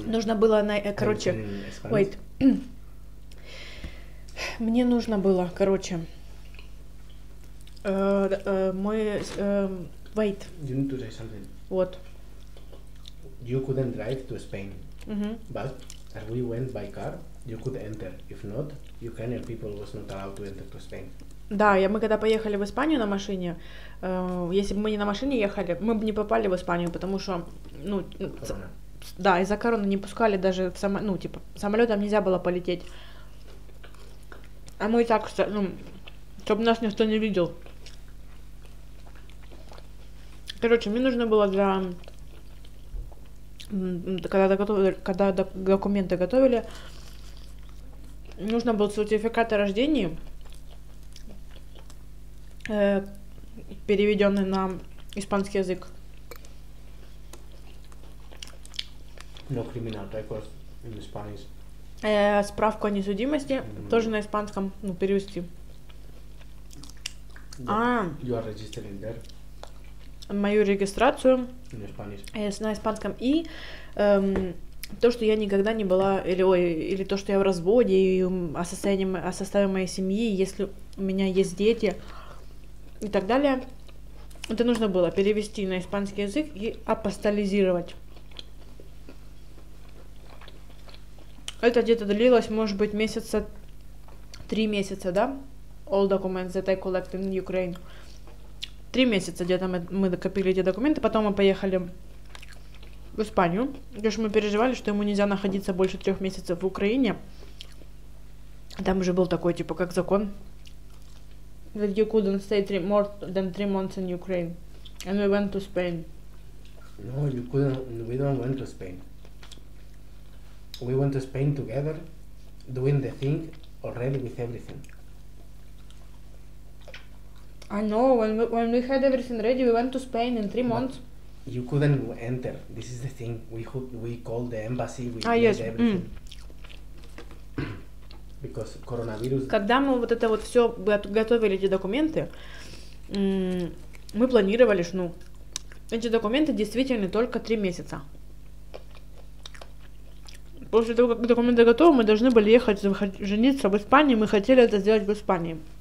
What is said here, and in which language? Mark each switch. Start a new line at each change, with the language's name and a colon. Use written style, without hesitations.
Russian: Нужно было, короче,
English: wait.
Russian: Мне нужно было, короче, мой,
English: wait. You need to say something. What? You couldn't drive to Spain, mm-hmm. but as we went by car, you could enter. If not, Ukrainian people was not allowed to enter to Spain.
Russian: Да, мы когда поехали в Испанию на машине, если бы мы не на машине ехали, мы бы не попали в Испанию, потому что, ну, да, из-за короны не пускали даже в самолетом нельзя было полететь. А мы и так, ну, чтобы нас никто не видел. Короче, мне нужно было для... Когда документы готовили, нужно был сертификат о рождении, переведенный на испанский язык.
English: No criminal record in Spanish.
Russian: Справку о несудимости, mm-hmm. тоже на испанском, ну, перевести.
English: You are registering there.
Russian: Мою регистрацию на испанском и то, что я никогда не была, или то, что я в разводе, и о составе моей семьи, если у меня есть дети и так далее. Это нужно было перевести на испанский язык и апостолизировать. Это где-то длилось, может быть, месяца, 3 месяца, да?
English: All documents that I collect in Ukraine.
Russian: 3 месяца где-то мы докопили эти документы, потом мы поехали в Испанию, потому что мы переживали, что ему нельзя находиться больше 3 месяцев в Украине. Там уже был такой, типа, как закон,
English: that you couldn't stay more than 3 months in Ukraine, and we went to Spain. No, you couldn't, we don't went to Spain. We went to Spain together, doing the thing already with everything. I know, when we had everything ready, we went to Spain in 3 months. You couldn't enter. This is the thing. We called the embassy, we did everything. Mm. Because coronavirus...
Russian: Когда мы вот это вот все готовили, эти документы, мы планировали, что, ну, эти документы действительно только 3 месяца. После того, как документы готовы, мы должны были ехать жениться в Испанию, мы хотели это сделать в Испании.